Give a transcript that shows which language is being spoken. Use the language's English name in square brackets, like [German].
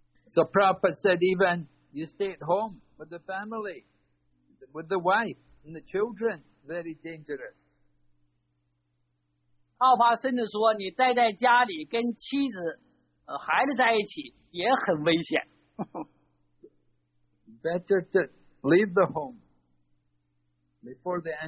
[English] So Prabhupada said, even you stay at home with the family, with the wife and the children, very dangerous. [Chinese] 奥帕甚至说你待在家里跟妻子孩子在一起也很危险。 [English] Better to leave the home before the animal.